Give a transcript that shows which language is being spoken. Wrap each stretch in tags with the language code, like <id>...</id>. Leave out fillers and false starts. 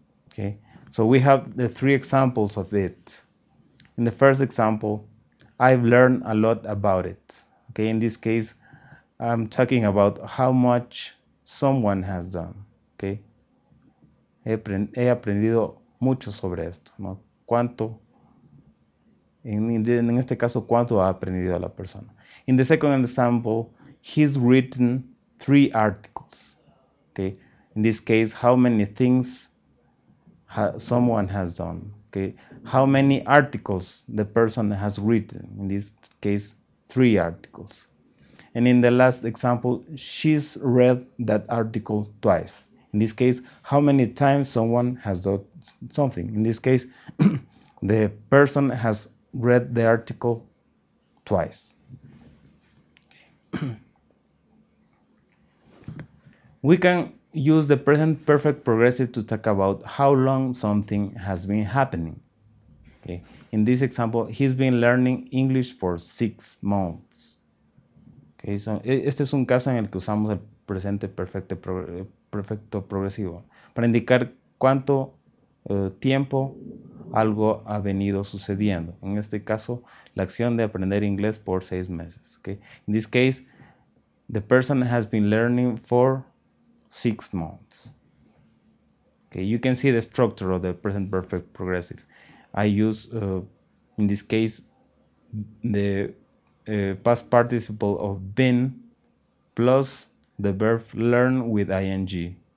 <en>Okay, so we have the three examples of it. In the first example, I've learned a lot about it. Okay, in this case, I'm talking about how much someone has done.</en> <es>Okay, he aprendido mucho sobre esto, ¿no? Cuánto, en este caso, cuánto ha aprendido la persona.</es> <en>In the second example, he's written 3 articles. Okay, in this case, how many things someone has done. Okay, how many articles the person has written. In this case, 3 articles. And in the last example, she's read that article twice. In this case, how many times someone has done something. In this case, the person has read the article twice. We can use the present perfect progressive to talk about how long something has been happening. Okay. In this example, he's been learning English for 6 months. Okay.</en> <es>So, este es un caso en el que usamos el presente perfecto progresivo para indicar cuánto tiempo algo ha venido sucediendo. En este caso, la acción de aprender inglés por 6 meses. Okay.</es> <en>In this case, the person has been learning for 6 months. Okay, you can see the structure of the present perfect progressive. I use In this case, the past participle of been plus the verb learn with ing.</en>